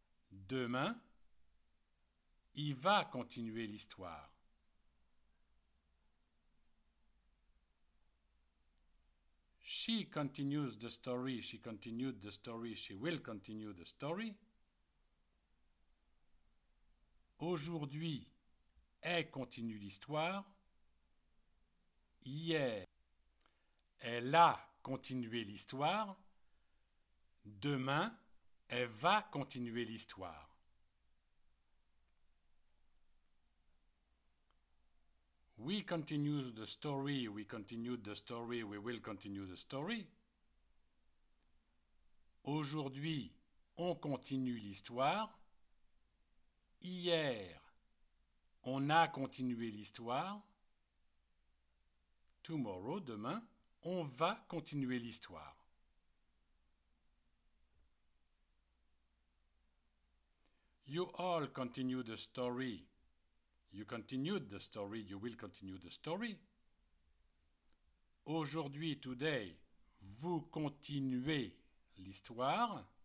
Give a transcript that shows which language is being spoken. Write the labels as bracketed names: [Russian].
[French] Demain, il va continuer l'histoire. [English] She continues the story, she continued the story, she will continue the story. [French] Aujourd'hui, elle continue l'histoire. Hier, elle a continué l'histoire. Demain, elle va continuer l'histoire. [English] We continue the story, we continued the story, we will continue the story. [French] Aujourd'hui, on continue l'histoire. Hier, on a continué l'histoire. [English] Tomorrow, [French] demain, on va continuer l'histoire. « [English] You all continue the story. You continued the story. You will continue the story. [French] Aujourd'hui, [English] today, [French] vous continuez l'histoire.